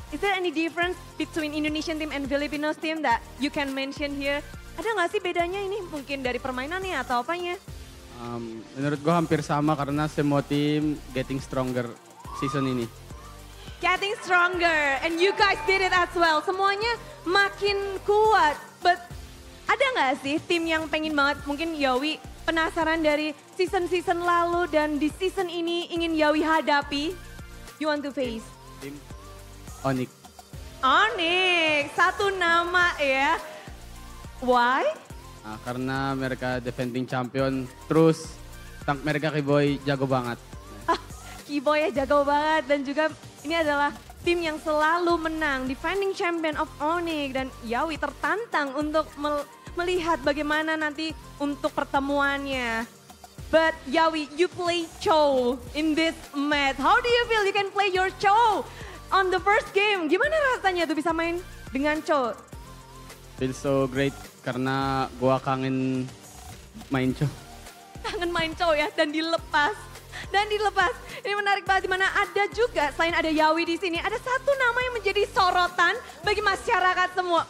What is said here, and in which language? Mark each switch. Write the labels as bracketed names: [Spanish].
[English] Is there any difference between Indonesian team and Filipino team that you can mention here? [Indonesian] Ada gak sih bedanya ini mungkin dari permainannya atau apanya? Menurut gue hampir sama karena semua tim [English] getting stronger [Indonesian] season ini. [English] Getting stronger, and you guys did it as well. [Indonesian] Semuanya makin kuat, but ada gak sih tim yang pengen banget, mungkin Yawi penasaran dari season-season lalu dan di season ini ingin Yawi hadapi? [English] You want to face? [Indonesian] Tim Onyx. Onyx, satu nama ya. [English] Why? [Indonesian] Nah, karena mereka defending champion, terus tank mereka Kiboy jago banget. Kiboy ya jago banget, dan juga ini adalah tim yang selalu menang, defending champion of Onyx. Dan Yawi tertantang untuk melihat bagaimana nanti untuk pertemuannya. [English] But Yawi, you play Cho in this match. How do you feel you can play your Cho on the first game? [Indonesian] Gimana rasanya tuh bisa main dengan Cho? [English] Feel so great [Indonesian] karena gua kangen main Cho. Kangen main Cho ya, dan dilepas. Dan dilepas. Ini menarik banget, dimana ada juga selain ada Yawi di sini, ada satu nama yang menjadi sorotan bagi masyarakat semua.